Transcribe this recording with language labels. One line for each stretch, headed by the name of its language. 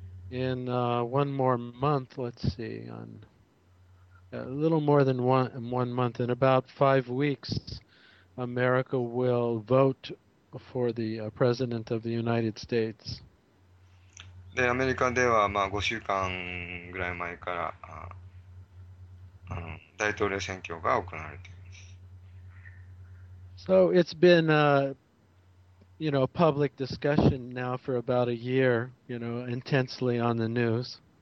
English: In one more month, let's see, on a little more than one month, in about 5 weeks, America will vote for the president of the United States.
Japanese: で、アメリカでは、まあ、5週間ぐらい前から大統領選挙が行われています。
English: So it's been a, you know, public discussion now for about a year, you know, intensely on the news.